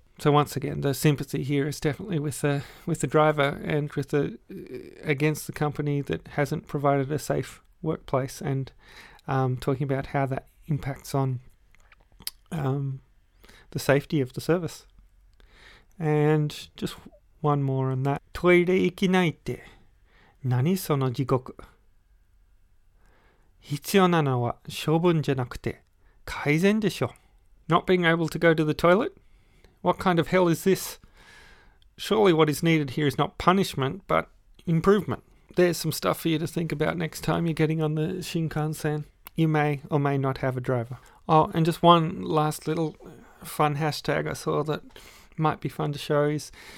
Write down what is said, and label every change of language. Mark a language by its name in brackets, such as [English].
[English] So once again, the sympathy here is definitely with the driver and against the company that hasn't provided a safe workplace, and talking about how that impacts on the safety of the service. And just one more on that. [Japanese] トイレ行きないって何その地獄。必要なのは処分じゃなくて改善でしょ。 [English] Not being able to go to the toilet? What kind of hell is this? Surely what is needed here is not punishment, but improvement. There's some stuff for you to think about next time you're getting on the Shinkansen. You may or may not have a driver. Oh, and just one last little fun hashtag I saw that might be fun to show is